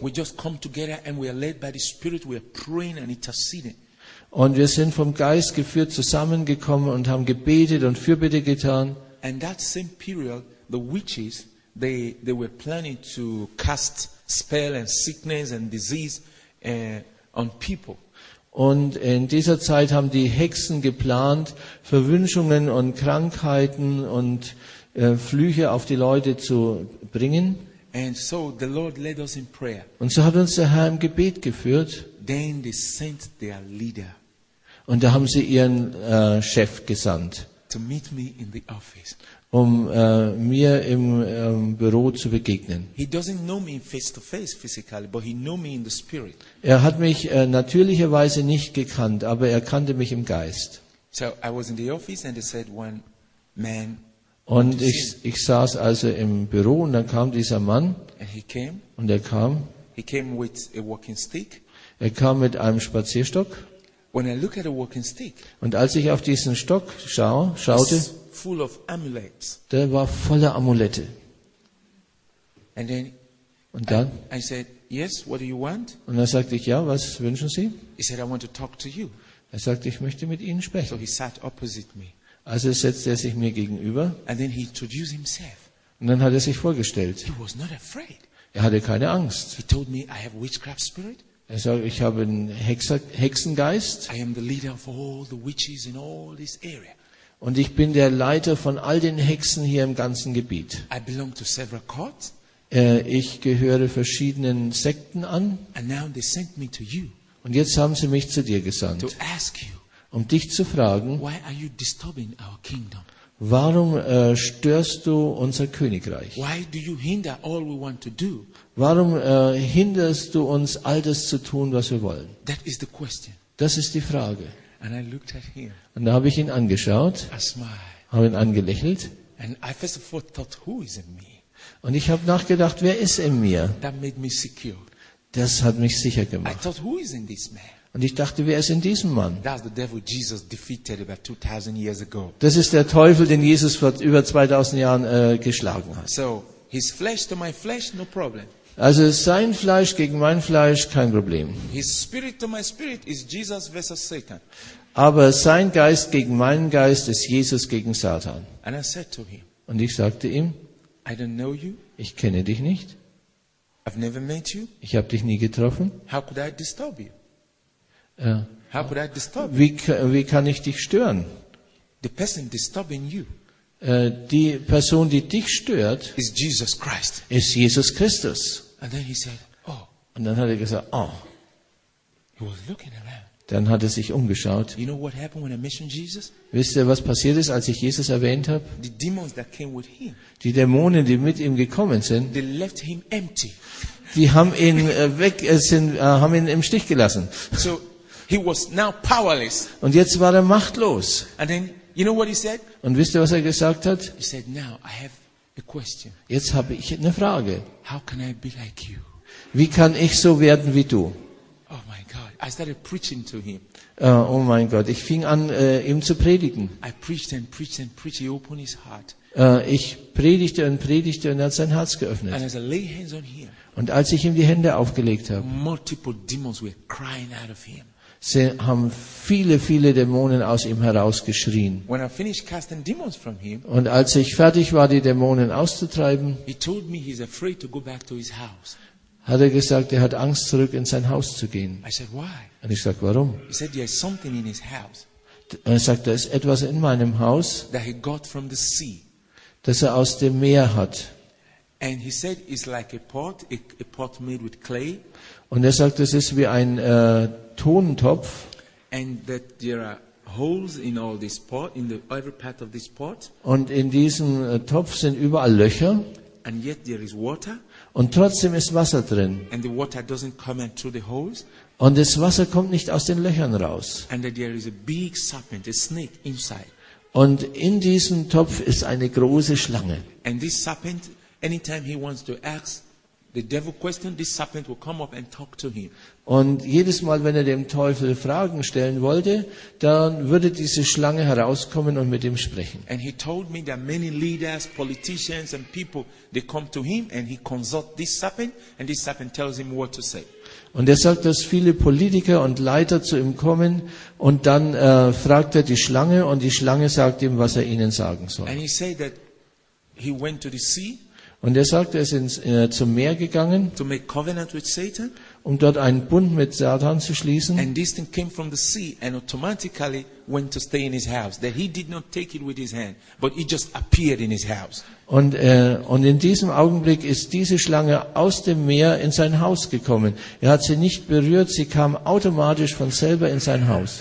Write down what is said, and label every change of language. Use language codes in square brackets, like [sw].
[en] We just come together and we are led by the Spirit. We are praying and interceding. [de] Und wir sind vom Geist geführt zusammengekommen und haben gebetet und Fürbitte getan. [en] And that same period, the witches, they were planning to cast spell and sickness and disease on people. [de] Und in dieser Zeit haben die Hexen geplant, Verwünschungen und Krankheiten und Flüche auf die Leute zu bringen. [en] And so the Lord led us in prayer. [de] Und so hat uns der Herr im Gebet geführt. [en] Then they sent their leader. [de] Und da haben sie ihren Chef gesandt, [en] to meet me in the office. [de] Um mir im Büro zu begegnen. [en] He doesn't know me face to face physically, but he knew me in the spirit. [de] Er hat mich natürlicherweise nicht gekannt, aber er kannte mich im Geist. [en] So I was in the office and they said one man. [de] Und ich saß also im Büro und dann kam dieser Mann. [en] And he came. [de] Und er kam. [en] He came with a walking stick. [de] Er kam mit einem Spazierstock. [en] When I look at a walking stick, [de] und als ich auf diesen Stock schaute, [en] full of amulets. [de] Der war voller Amulette. [en] And then, [de] und dann? [en] I said, yes, what do you want? [de] Und dann sagte ich, ja, was wünschen Sie? [en] He said, I want to talk to you. [de] Er sagte, ich möchte mit Ihnen sprechen. [en] So he sat opposite me. [de] Also setzte er sich mir gegenüber. [en] And then he introduced himself. [de] Und dann hat er sich vorgestellt. [en] He was not afraid. [de] Er hatte keine Angst. [en] He told me, I have witchcraft spirit. [de] Er sagt, ich habe einen Hexengeist. [en] I am the leader of all the witches in all this area. [de] Und ich bin der Leiter von all den Hexen hier im ganzen Gebiet. [en] I belong to several courts. [de] Ich gehöre verschiedenen Sekten an. [en] And now they sent me to you. [de] Und jetzt haben sie mich zu dir gesandt. [en] To ask you. [de] Um dich zu fragen, [en] why are you disturbing our kingdom? [de] Warum störst du unser Königreich? [en] Why do you hinder all we want to do? [de] Warum hinderst du uns, all das zu tun, was wir wollen? [en] That is the question. [de] Das ist die Frage. [en] And I looked at him. [de] Und da habe ich ihn angeschaut, habe ihn angelächelt. [en] And I first of all thought, who is in me? [de] Und ich habe nachgedacht, wer ist in mir? [en] That made me secure. [de] Das hat mich sicher gemacht. [en] I thought, who is in this man? [de] Und ich dachte, wer ist in diesem Mann? [en] That's the devil Jesus defeated about 2000 years ago. [de] Das ist der Teufel, den Jesus vor über 2000 Jahren geschlagen hat. [en] So, his flesh to my flesh, no problem. [de] Also sein Fleisch gegen mein Fleisch, kein Problem. [en] His spirit to my spirit is Jesus versus Satan. [de] Aber sein Geist gegen meinen Geist ist Jesus gegen Satan. [en] And I said to him, [de] und ich sagte ihm, [en] I don't know you. [de] Ich kenne dich nicht. [en] I've never met you. [de] Ich habe dich nie getroffen. [en] How could I disturb you? How could I disturb you? [de] Wie kann ich dich stören? [en] The person disturbing you. [de] Die Person, die dich stört, [en] is Jesus Christ. [de] Ist Jesus Christus. [en] And then he said, oh. [de] Und dann hat er gesagt, oh. [en] He was looking around. [de] Dann hat er sich umgeschaut. [en] You know what happened when I mentioned Jesus? [de] Wisst ihr, was passiert ist, als ich Jesus erwähnt habe? [en] The demons that came with him. [de] Die Dämonen, die mit ihm gekommen sind, [en] they left him empty. [de] Die haben ihn haben ihn im Stich gelassen. [en] So, he was now powerless. [de] Und jetzt war er machtlos. [en] And then, you know what he said? [de] Und wisst ihr, was er gesagt hat? [en] He said, now I have a question. [de] Jetzt habe ich eine Frage. [en] How can I be like you? [de] Wie kann ich so werden wie du? [en] Oh my God. I started preaching to him. [de] Oh mein Gott, ich fing an, ihm zu predigen. [en] I preached and preached and preached. He opened his heart. [de] Ich predigte und predigte und er hat sein Herz geöffnet. [en] And as I lay hands on him, [de] und als ich ihm die Hände aufgelegt habe, [en] multiple demons were crying out of him. [de] Sie haben viele, viele Dämonen aus ihm herausgeschrien. [en] When I finished casting demons from him, [de] und als ich fertig war, die Dämonen auszutreiben, [en] he told me he's afraid to go back to his house. [de] Hat er gesagt, er hat Angst, zurück in sein Haus zu gehen. [en] I said, why? [de] Und ich sagte, warum? [en] He said, there's something in his house. [de] Und er sagt, da ist etwas in meinem Haus, [en] that he got from the sea. [de] Das er aus dem Meer hat. [en] And he said, it's like a pot made with clay. [de] Und er sagt, es ist wie ein Tontopf. [en] And that there are holes in all this pot, in the every part of this pot. [de] Und in diesem Topf sind überall Löcher. [en] And yet there is water. [de] Und trotzdem ist Wasser drin. [en] And the water doesn't come in through the holes. [de] Und das Wasser kommt nicht aus den Löchern raus. [en] And that there is a big serpent, a snake inside. [de] Und in diesem Topf ist eine große Schlange. [en] And this serpent, anytime he wants to ask the devil question, this serpent will come up and talk to him. [de] Und jedes Mal, wenn er dem Teufel Fragen stellen wollte, dann würde diese Schlange herauskommen und mit ihm sprechen. [en] And he told me that many leaders, politicians and people, they come to him and he consult this serpent and this serpent tells him what to say. [de] Und er sagt, dass viele Politiker und Leiter zu ihm kommen und dann fragt er die Schlange und die Schlange sagt ihm, was er ihnen sagen soll. [en] And he said that he went to the sea. [de] Und er sagt, er ist ins, zum Meer gegangen, [en] to make covenant with Satan, [de] um dort einen Bund mit Satan zu schließen. [en] And this thing came from the sea and automatically went to stay in his house. That he did not take it with his hand, but it just appeared in his house. [de] Und in diesem Augenblick ist diese Schlange aus dem Meer in sein Haus gekommen. Er hat sie nicht berührt, sie kam automatisch von selber in sein Haus.